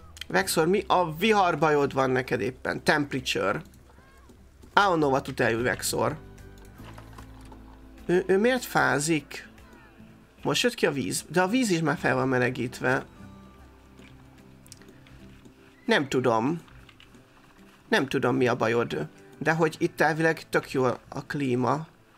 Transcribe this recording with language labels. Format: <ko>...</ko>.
<hu>Vexor, mi a viharbajod van neked éppen?</hu> <en>Temperature. I don't know what to tell you, Vexor.</en> <hu>Ő miért fázik? Most jött ki a víz. De a víz is már fel van melegítve. Nem tudom. Nem tudom, mi a bajod. De hogy itt elvileg tök jó a klíma.</hu>